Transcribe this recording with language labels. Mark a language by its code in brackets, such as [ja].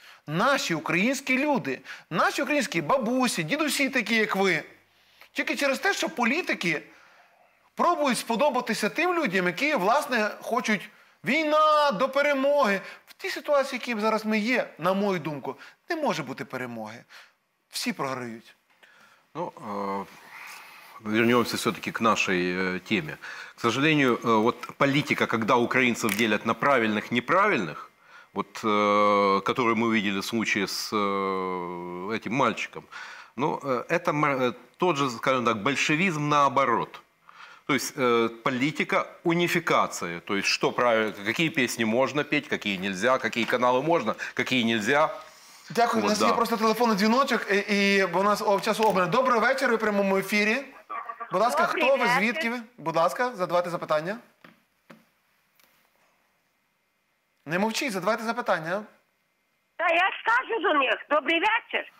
[uk] Наші українські люди, наші українські бабусі, дідусі такі, як ви. Тільки через те, що політики пробують сподобатися тим людям, які, власне, хочуть війна до перемоги. В тій ситуації, які зараз ми є, на мою думку, не може бути перемоги. Всі програють. [ru] Ну, вернемся все-таки к нашей теме. К сожалению, вот политика, когда украинцев делят на правильных, неправильных, вот, которую мы видели в случае с этим мальчиком, ну, это тот же, скажем так, большевизм наоборот. То есть политика унификации. То есть что правильно, какие песни можно петь, какие нельзя, какие каналы можно, какие нельзя. [uk] Дякую, вот, у нас да. Є просто телефонний дзвіночок, і у нас часу обмаль. Добрий вечір, ви в прямому ефірі. Будь ласка, хто ви, звідки ви? Будь ласка, задавайте запитання. Не мовчіть, задавайте запитання. Та я ж кажу до них, добрий вечір.